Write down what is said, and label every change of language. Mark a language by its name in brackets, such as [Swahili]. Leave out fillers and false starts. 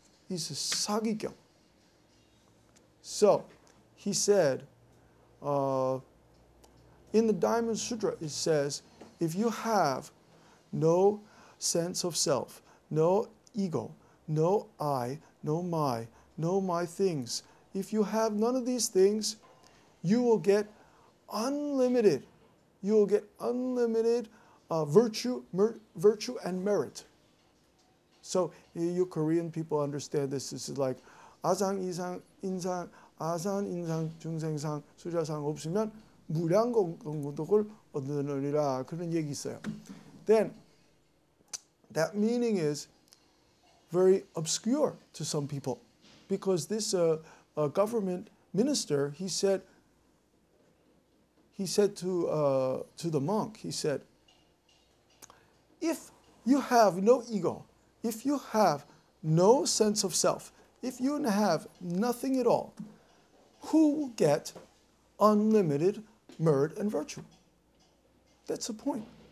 [English] He's a sagigyeong. So he said, in the Diamond Sutra, it says, if you have no sense of self, no ego, no I, no my things, if you have none of these things, you will get unlimited. You will get unlimited virtue and merit. So you Korean people understand this. This is like [Korean] 아상 이상 인상 아상 인상 중생상 수자상 없으면 무량공동구독을 얻느니라 그런 얘기 있어요. [English] Then that meaning is very obscure to some people because this government minister he said to the monk, if you have no ego, if you have no sense of self, if you have nothing at all, who will get unlimited merit and virtue? That's the point.